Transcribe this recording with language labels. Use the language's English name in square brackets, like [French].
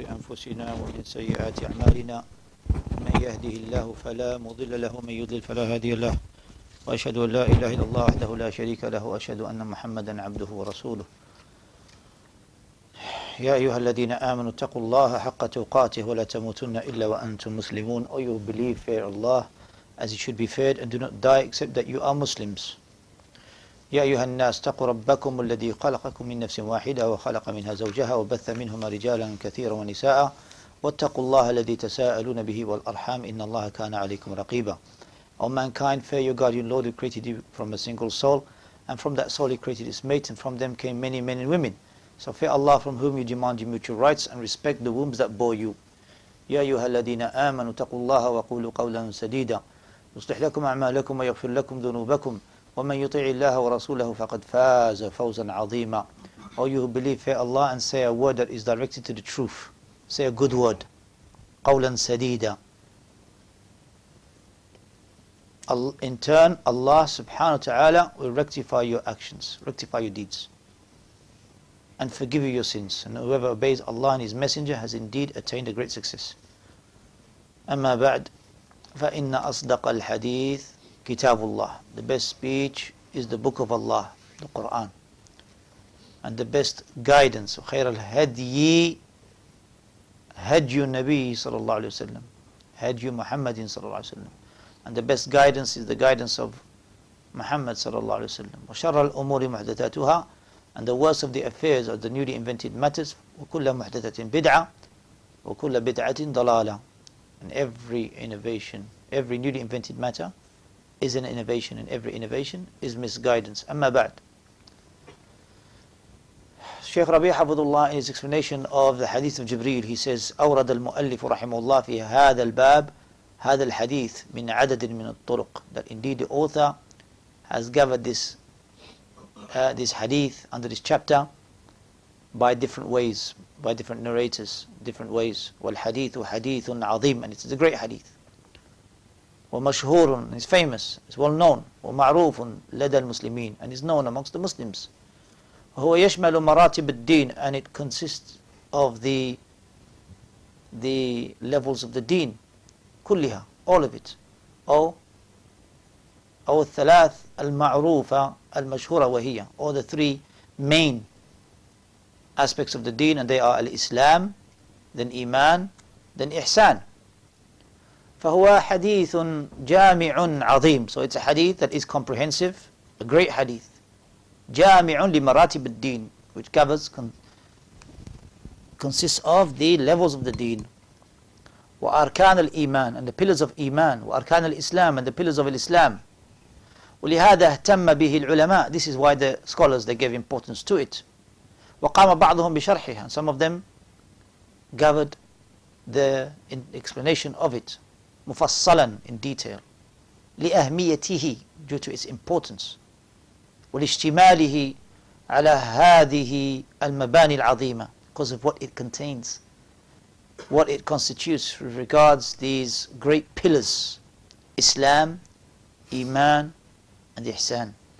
[Arabic] أنفسنا ومن سيئات أعمالنا من يهده الله فلا مضل له ومن يضلل فلا هادي له وأشهد أن لا إله إلا الله وحده لا شريك له وأشهد أن محمدا عبده ورسوله يا أيها الذين آمنوا اتقوا الله حق تقاته ولا تموتن إلا وأنتم مسلمون [English] or you believe fear Allah as it should be feared and do not die except that you are Muslims. [Arabic] يا أيها الناس اتقوا ربكم الذي خلقكم من نفس واحدة وخلق منها زوجها وبث منهما رجالا كثيرا ونساء واتقوا الله الذي تساءلون به والأرحام إن الله كان عليكم رقيبا. [English] O mankind, fear your God, your Lord who created you from a single soul, and from that soul he created its mate, and from them came many men and women. So fear Allah from whom you demand your mutual rights, and respect the wombs that bore you. [Arabic] يا أيها الذين آمنوا اتقوا الله وقولوا قولا سديدا يصلح لكم أعمالكم ويغفر لكم ذنوبكم وَمَنْ يُطِعِ اللَّهَ وَرَسُولَهُ فَقَدْ فَازَ فَوْزًا عَظِيمًا. [English] All you who believe, fear Allah and say a word that is directed to the truth. Say a good word. [Arabic] قَوْلًا سَدِيدًا. [English] In turn, Allah subhanahu wa ta'ala will rectify your actions, rectify your deeds, and forgive you your sins. And whoever obeys Allah and His Messenger has indeed attained a great success. [Arabic] أَمَّا بَعْدْ فَإِنَّ أَصْدَقَ الْحَدِيثِ Kitabullah. [English] The best speech is the book of Allah, the Quran. And the best guidance, [Arabic] خير الهدي هدي النبي صلى الله عليه وسلم هدي محمد صلى الله عليه وسلم. [English] And the best guidance is the guidance of Muhammad صلى الله عليه وسلم. [Arabic] وشر الأمور محدثاتها. [English] And the worst of the affairs are the newly invented matters. [Arabic] وكل محدثة بدعة وكل بدعة ضلالة. [English] And every innovation, every newly invented matter is an innovation, and every innovation is misguidance. [Arabic] Amma ba'd. [English] Sheikh Rabi' Hafidhullah, in his explanation of the hadith of Jibreel, he says, [Arabic] أورد المؤلف رحمه الله في هذا الباب هذا الحديث من عدد من الطرق. [English] That indeed the author has gathered this hadith under this chapter by different ways, by different narrators, different ways. [Arabic] والحديث حديث عظيم, [English] and it's a great hadith. [Arabic] ومشهور, [English] is famous, is well known. [Arabic] ومعروف لدى المسلمين, [English] and is known amongst the Muslims. [Arabic] هو يشمل مراتب الدين, [English] and it consists of the levels of the deen, كلها, all of it. [Arabic] أو الثلاث المعروفة المشهورة وهي, [English] or the three main aspects of the deen, and they are الإسلام, then إيمان, then إحسان. [Arabic] فهو حديث جامع عظيم. [English] So it's a hadith that is comprehensive, a great hadith. [Arabic] جامع لمراتب الدين, [English] which covers, consists of the levels of the deen. [Arabic] وأركان الإيمان, [English] and the pillars of إيمان. [Arabic] وأركان الإسلام, [English] and the pillars of الإسلام. [Arabic] ولهذا اهتم به العلماء. [English] This is why the scholars, they gave importance to it. [Arabic] وقام بعضهم بشرحها, [English] and some of them gathered the explanation of it. مفصلاً in detail لأهميته due to its importance [Arabic] ولاشتماله على هذه المباني العظيمة [English] because of what it contains what it constitutes with regards these great pillars إسلام إيمان and إحسان